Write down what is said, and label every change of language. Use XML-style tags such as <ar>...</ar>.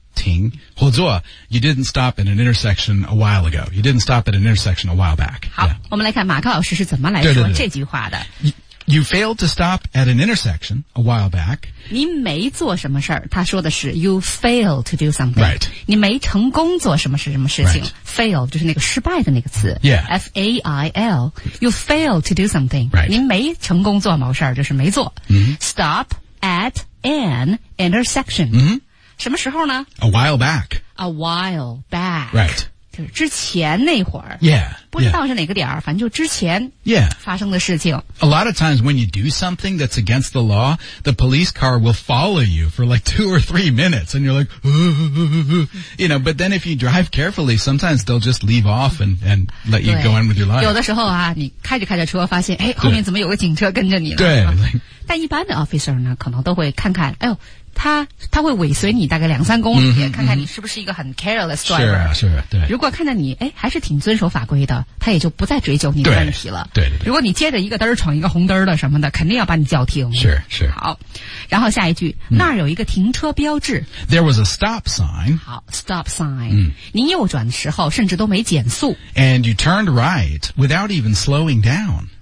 <zh>停或做</zh> <en>You didn't stop at an intersection a while ago. You didn't stop at an intersection a while back.</en> <zh>好、</zh> <en>yeah.</en> <zh>我们来看马克老师是怎么来说对对对这句话的。</zh> <en>You failed to stop at an intersection a while back.</en> <zh>你没做什么事儿他说的是</zh> <en>you failed to do something. Right.</en> <zh>你没成功做什么是什么事情、</zh> <en>right.</en> <zh>Fail 就是那个失败的那个词。</zh> <en>Yeah. F-A-I-L. You failed to do something. Right.</en> <zh>你没成功做某事儿就是没做。 Mm-hmm.</zh> <en>Stop at an intersection. Mm-hmm.</en> <zh>什么时候呢</zh> <en>A while back. A while back. Right.</en> <zh>之前那会儿</zh> <en>yeah, yeah.</en> <zh>不知道是哪个点儿反正就之前</zh> <en>yeah.</en> <zh>发生的事情</zh> <en>A lot of times when you do something that's against the law the police car will follow you for like 2 or 3 minutes and you're like you know, but then if you drive carefully sometimes they'll just leave off and let you go on with your life</en> <zh>有的时候啊你开着开着车发现哎，后面怎么有个警车跟着你了对、</zh> <en>like,</en> <zh>但一般的 officer 呢可能都会看看哎呦他会尾随你大概两三公里、嗯、看看你是不是一个很</zh> <en>careless driver</en> <zh>是啊是啊对如果看到你哎还是挺遵守法规的他也就不再追究你的问题了对, 对, 对如果你接着一个灯闯一个红灯的什么的肯定要把你叫停是是好然后下一句、嗯、那儿有一个停车标志</zh> <en>There was a stop sign 好 stop sign、</en> <zh>嗯、你右转的时候甚至都没减速</zh> <en>And you turned right without even slowing down</en>